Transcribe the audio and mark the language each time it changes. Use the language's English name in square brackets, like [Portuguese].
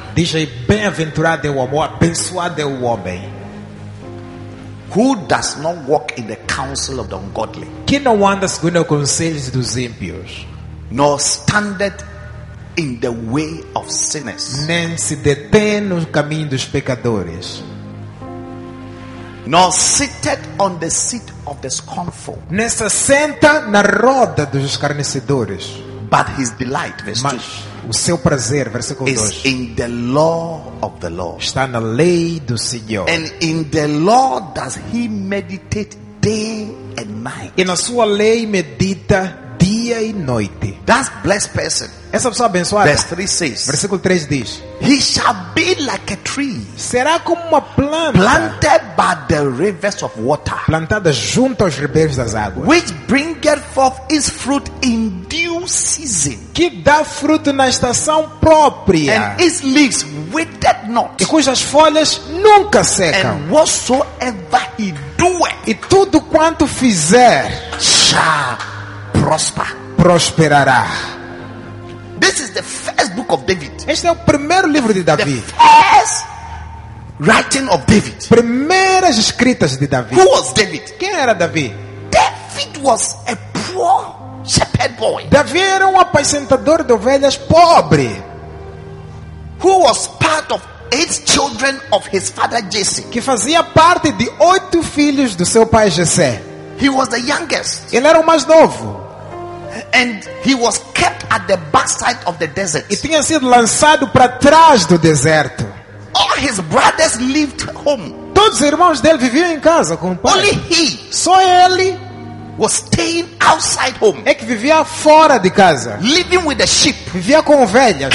[Portuguese] Diz aí, bem-aventurado é o homem, abençoado é o homem. [English] Who does not walk in the counsel of the ungodly? [Portuguese] Que não anda segundo os conselhos dos ímpios. [English] Nor standeth in the way of sinners. [Portuguese] Nem se detém no caminho dos pecadores. [English] Nor sitteth on the seat of the scornful. [Portuguese] Nem se senta na roda dos escarnecedores. [English] But his delight, verse 2. [Portuguese] O seu prazer, versículo 2, [English] in the law of the Lord. [Portuguese] Está na lei do Senhor. [English] And in the law does he meditate day and night. [Portuguese] E na sua lei medita dia e noite. [English] That blessed person. [Portuguese] Essa pessoa abençoada. [English] Verse 3 says. [Portuguese] Versículo 3 diz. [English] He shall be like a tree. [Portuguese] Será como uma planta. [English] Planted by the rivers of water. [Portuguese] Plantada junto aos ribeiros das águas. [English] Which bringeth forth its fruit in due season. [Portuguese] Que dá fruto na estação própria. [English] And its leaves withered not. [Portuguese] E cujas folhas nunca secam. [English] And whatsoever he doeth. [Portuguese] E tudo quanto fizer. [English] Shall prosper. [Portuguese] Prosperará. [English] This is the first book of David. [Portuguese] Este é o primeiro livro de Davi. [English] The first writing of David. [Portuguese] Primeiras escritas de Davi. [English] Who was David? [Portuguese] Quem era Davi? [English] David was a poor shepherd boy. [Portuguese] Davi era um apacentador de ovelhas pobre. [English] Who was part of 8 children of his father Jesse? [Portuguese] Que fazia parte de 8 filhos do seu pai Jesse. [English] He was the youngest. [Portuguese] Ele era o mais novo. [English] And he was kept at the backside of the desert. [Portuguese] E tinha sido lançado para trás do deserto. [English] All his brothers lived home. [Portuguese] Todos os irmãos dele viviam em casa com o pai. [English] Only he. [Portuguese] Só ele [English] was staying outside home. [Portuguese] É que vivia fora de casa. [English] Living with the sheep. [Portuguese] Vivia com ovelhas.